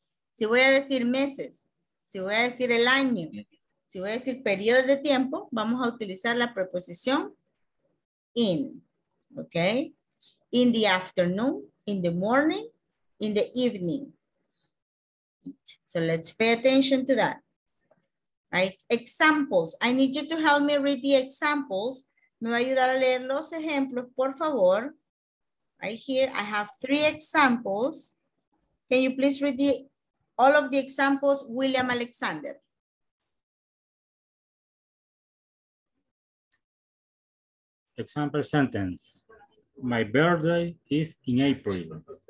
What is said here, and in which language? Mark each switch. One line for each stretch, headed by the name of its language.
Spanish: Si voy a decir meses, si voy a decir el año, si voy a decir periodo de tiempo, vamos a utilizar la preposición in, ¿ok?
English: In the afternoon, in the morning, in the evening. So let's pay attention to that, right? Examples, I need you to help me read the examples.
Spanish: Me va a ayudar a leer los ejemplos, por favor.
English: Right here, I have three examples. Can you please read the, all of the examples, William Alexander? Example sentence. My birthday is in April.